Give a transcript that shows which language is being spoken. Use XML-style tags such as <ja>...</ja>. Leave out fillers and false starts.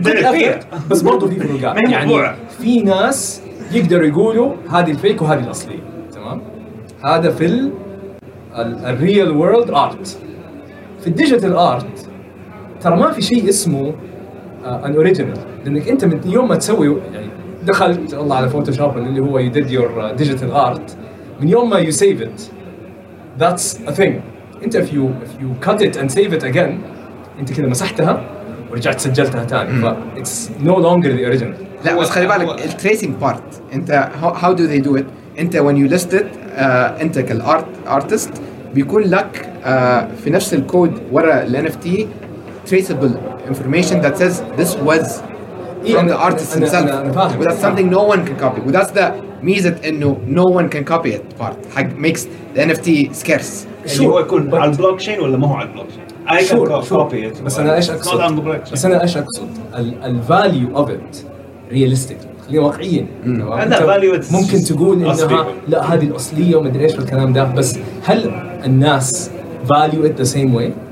<ar>تعرفين بس برضو في فروقات يعني في ناس يقدروا يقولوا هذه الفيك وهذه الأصلية تمام هذا في ال</ar> <en>real world art</en> <ar>في الديجيتال art ترى ما في شيء اسمه an original لأنك أنت من يوم ما تسوي يعني دخلت الله على فوتوشوب اللي هو يدد</ar> <en>your digital art</en> <ar>من يوم ما</ar> <en>you save it that's a thing أنت if you cut it and save it again أنت</en> <ar>كده مسحتها ورجعت سجلتها تاني</ar> <en>ف it's no longer the original</en> <ar>لا بس خلي بالك</ar> <en>ال tracing part انت how do they do it انت when you list it انت كال artist بيكون لك في نفس الكود ورا ال NFT traceable information that says this was from the artist himself but that's something no one can copy but that's the ميزة</en> <ar>انه</ar> <en>no one can copy it part حق makes the NFT scarce</en> <ar>اللي هو يكون على البلوكشين ولا ما هو على البلوكشين</ar> <en>Sure.</en> <ar>بس انا ايش اقصد الفاليو اوف ات رياليستيك خلينا واقعيا ممكن تقول انها لا هذه الاصليه وما ادري ايش الكلام ده بس هل الناس فاليو ات ذا سيم واي</ar>